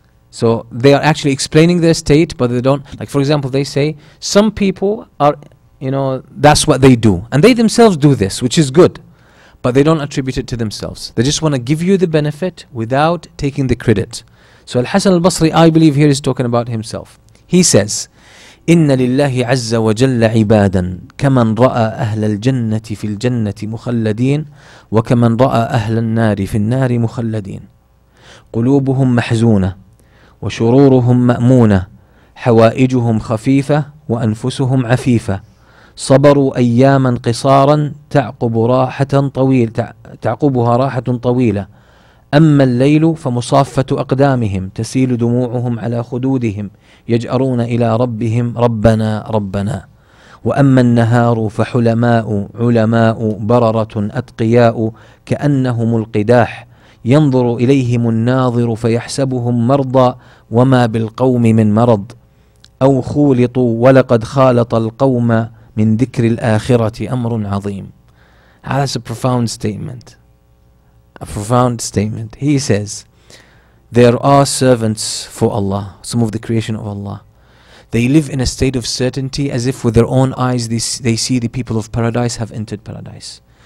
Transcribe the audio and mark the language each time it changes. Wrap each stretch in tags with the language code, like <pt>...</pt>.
<en>So they are actually explaining their state, but they don't. Like, for example, they say, some people are, you know, that's what they do. And they themselves do this, which is good. But they don't attribute it to themselves. They just want to give you the benefit without taking the credit. So Al-Hasan Al-Basri, I believe here, is talking about himself. He says,</en> <ar>إِنَّ لِلَّهِ عَزَّ وَجَلَّ عِبَادًا كَمَنْ رَأَى أَهْلَ الْجَنَّةِ فِي الْجَنَّةِ مُخَلَّدِينَ وَكَمَنْ رَأَى أَهْلَ النَّارِ فِي النَّارِ مُخَلَّدِينَ قُلُوبُهُمْ مَحْزُونَةٌ وَشُرُورُهُمْ مَأْمُونَةٌ حَوَائِجُهُمْ خَفِيفَةٌ وَأَنفُسُهُمْ عَفِيفَةٌ صبروا أياما قصارا تعقب راحة طويلة تعقبها راحة طويلة أما الليل فمصافة أقدامهم تسيل دموعهم على خدودهم يجأرون إلى ربهم ربنا ربنا وأما النهار فحلماء علماء بررة أتقياء كأنهم القداح ينظر إليهم الناظر فيحسبهم مرضى وما بالقوم من مرض أو خولطوا ولقد خالط القوم من ذكر الآخرة أمر عظيم.</ar> <en>That's a profound statement. A profound statement. He says, there are servants for Allah, some of the creation of Allah. They live in a state of certainty as if with their own eyes they see the people of paradise have entered paradise.</en>